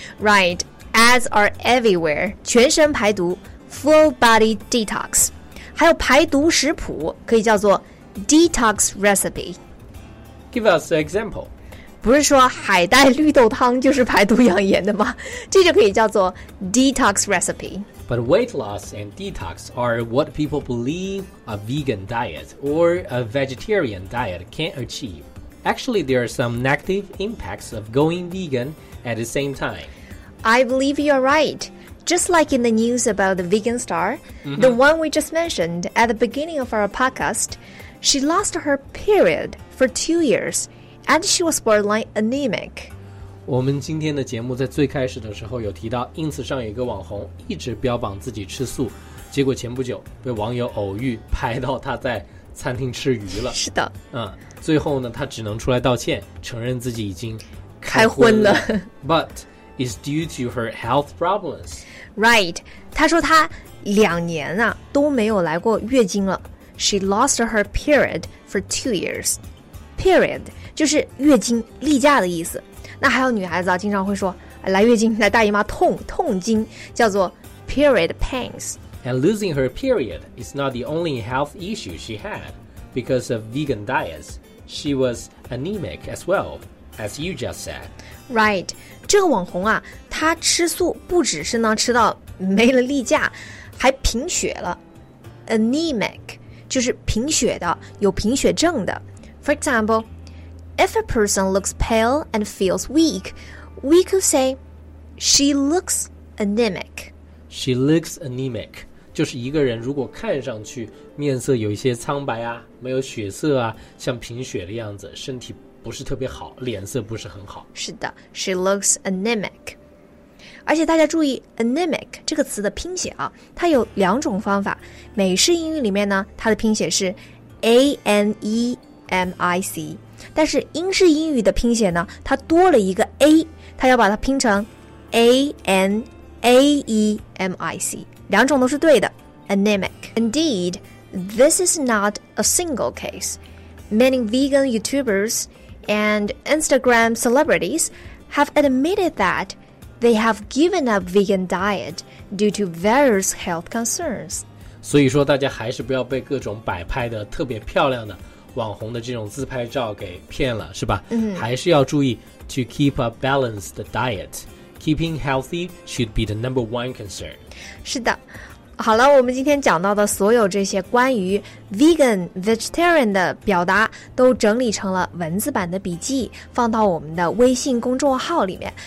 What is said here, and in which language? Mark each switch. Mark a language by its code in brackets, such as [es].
[en] Right, ads are everywhere. [zh] 全身排毒 [en] full body detox, [zh] 还有排毒食谱可以叫做 [en] detox recipe. Give us an example. [zh] 不是说海带绿豆汤就是排毒养颜的吗？这就可以叫做 detox recipe. [en] But weight loss and detox are what people believe a vegan diet or a vegetarian diet can't achieve. Actually, there are some negative impacts of going vegan at the same time. I believe you're right. Just like in the news about the vegan star, the one we just mentioned at the beginning of our podcast, she lost her period. For 2 years, and she was borderline anemic. [zh] 我们今天的节目在最开始的时候有提到 ，ins 上有一个网红一直标榜自己吃素，结果前不久被网友偶遇拍到他在餐厅吃鱼了。是的，最后呢，他只能出来道歉，承认自己已经开荤了。 [en] But it's due to her health problems. [zh] Right, 他说他两年啊都没有来过月经了。 [en] She lost her period for 2 years. Period [zh] 就是月经、例假的意思。那还有女孩子啊，经常会说来月经、来大姨妈痛、痛经，叫做 period pains. [en] And losing her period is not the only health issue she had. Because of vegan diets, she was anemic as well, as you just said. Right. [zh] 这个网红啊，她吃素不只是呢吃到没了例假，还贫血了。 [en] Anemic. [zh] 就是贫血的，有贫血症的。 [en] For example, if a person looks pale and feels weak, we could say she looks anemic. She looks anemic. [zh] 就是一个人如果看上去面色有一些苍白啊，没有血色啊，像贫血的样子，身体不是特别好，脸色不是很好。是的 ， [en] she looks anemic. [zh] 而且大家注意 anemic 这个词的拼写啊，它有两种方法。美式英语里面呢，它的拼写是 anemic， 但是英式英语的拼写呢，它多了一个 a， 它要把它拼成 anaemic， 两种都是对的。anemic。 [en] Indeed, this is not a single case. Many vegan YouTubers and Instagram celebrities have admitted that they have given up vegan diet due to various health concerns. [zh] 所以说大家还是不要被各种摆拍的特别漂亮的网红的这种自拍照给骗了是吧、嗯、还是要注意 [en] to keep a balanced diet. Keeping healthy should be the number one concern. [zh] 是的。好了，我们今天讲到的所有这些关于 vegan, vegetarian 的表达都整理成了文字版的笔记，放到我们的微信公众号里面。